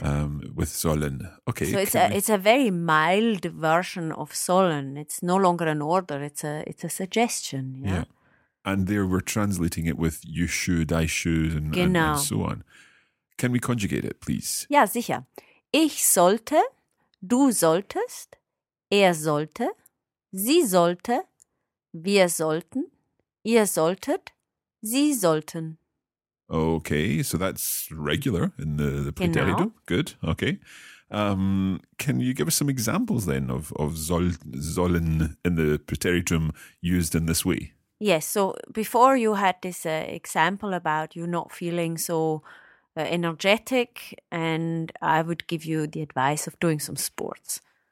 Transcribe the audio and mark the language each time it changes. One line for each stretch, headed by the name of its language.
English: With sollen. Okay. So it's a very mild version of sollen. It's no longer an order. It's a suggestion. Yeah. And there we're translating it with you should, I should, and so on. Can we conjugate it, please?
German: Ja, sicher. Ich sollte, du solltest, er sollte, sie sollte, wir sollten. Ihr solltet, sie sollten.
English: Okay, so that's regular in the preteritum.
German: Genau.
English: Good, okay. Can you give us some examples then of sollen in the preteritum used in this way? Yes, so before you had this example about you not feeling so energetic, and I would give you the advice of doing some sports.